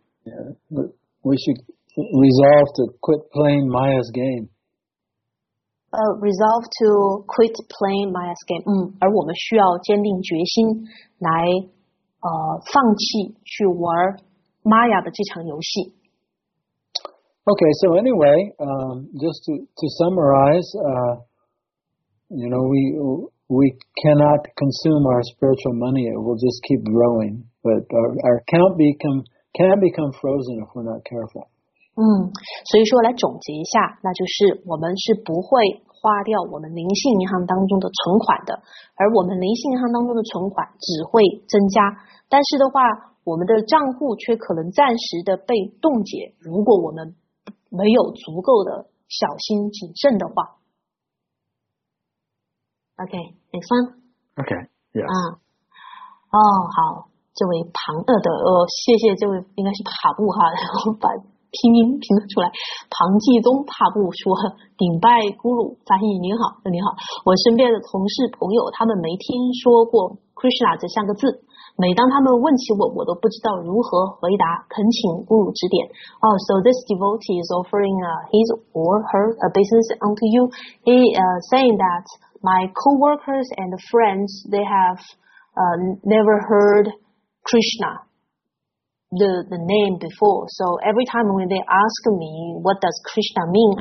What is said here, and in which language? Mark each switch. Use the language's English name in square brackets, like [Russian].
[English] Yeah, we should resolve to quit playing Maya's game. Resolve to quit playing Maya's game. [Chinese] 而我们需要坚定决心来放弃去玩 Maya 的这场游戏。 [English] Okay, so anyway, just to summarize, we cannot consume our spiritual money. It will just keep growing, but our account can become frozen if we're not careful. [Chinese] 所以说来总结一下，那就是我们是不会花掉我们灵性银行当中的存款的，而我们灵性银行当中的存款只会增加，但是的话我们的账户却可能暂时的被冻结，如果我们没有足够的小心谨慎的话。 [English] OK, next one. OK, yeah. [Chinese] 好，这位庞的谢谢这位，应该是塔布哈，然后把拼音拼得出来，庞继宗帕布说：“顶拜咕噜，翻译您好，您好，我身边的同事朋友，他们没听说过 Krishna 这三个字，每当他们问起我，我都不知道如何回答，恳请咕噜指点。 [English] Oh, so this devotee is offering his or her business unto you. He saying that my co-workers and friends, they have never heard Krishna, the name before. So every time when they ask me, what does Krishna mean?